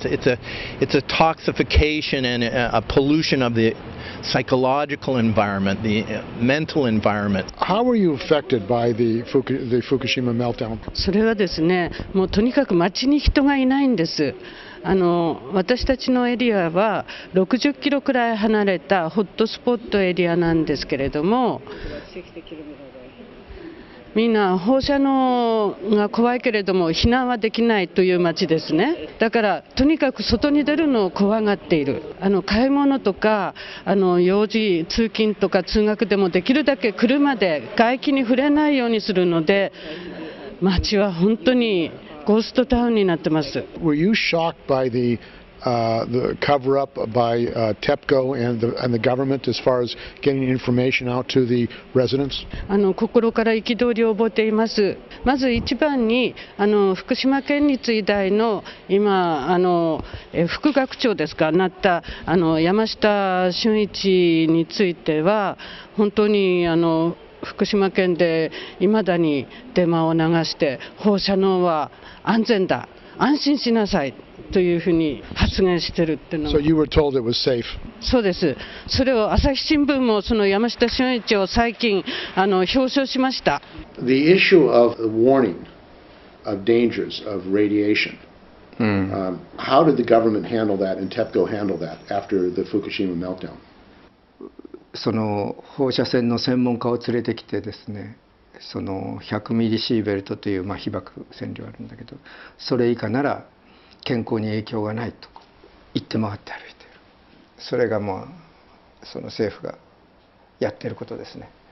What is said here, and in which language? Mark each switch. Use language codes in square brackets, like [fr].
[en] It's a toxification and a pollution of the psychological environment, the mental environment. How were you affected by the Fukushima meltdown? [ja] それはですね、もうとにかく街に人がいないんです。あの私たちのエリアは60キロくらい離れたホットスポットエリアなんですけれども、みんな放射能が怖いけれども避難はできないという街ですね。だからとにかく外に出るのを怖がっている。あの買い物とか、あの用事、通勤とか通学でもできるだけ車で外気に触れないようにするので、街は本当にゴーストタウンになってます。 [en] Were you shocked by the cover up by TEPCO and the government as far as getting information out to the residents? [ja] あの心から憤りを覚えています。まず一番に、あの福島県立医大の今あの副学長ですか、なったあの山下俊一については本当にあの福島県で未だにデマを流して放射能は安全だ、安心しなさいというふうに発言してるっていうのは。 [en] So you were told it was safe. [ja] そうです。それを朝日新聞もその山下俊一を最近あの表彰しました。 [en] The issue of the warning of dangers of radiation. How did the government handle that and TEPCO handle that after the Fukushima meltdown? [ja] その放射線の専門家を連れてきてですね、その100ミリシーベルトというまあ被爆線量あるんだけど、それ以下なら健康に影響がないと言って回って歩いている。それがまあその政府がやってることですね。